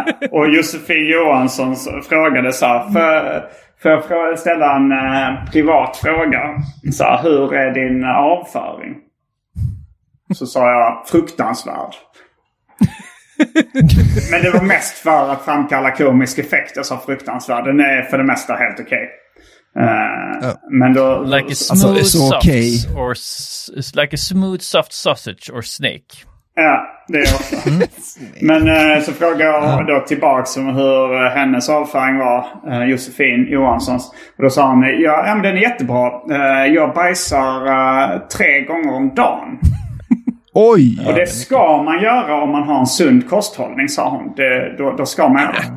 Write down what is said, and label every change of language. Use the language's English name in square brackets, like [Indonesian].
[Swedish] Och Josefin Johansson frågade så här, för att ställa en privat fråga, så här, hur är din avföring? Så sa jag, fruktansvärd. Men det var mest för att framkalla komisk effekt, jag sa fruktansvärd. Den är för det mesta helt okej. Men då, [English] like a smooth, alltså, soft, okay. Or it's like a smooth soft sausage or snake. [Swedish] Ja, det är också. Men så frågade jag då tillbaka om hur hennes avföring var, Josefin Johanssons. Och då sa hon, ja men den är jättebra. Jag bajsar 3 gånger om dagen. Oj! Och det ska man göra om man har en sund kosthållning, sa hon. Då ska man göra.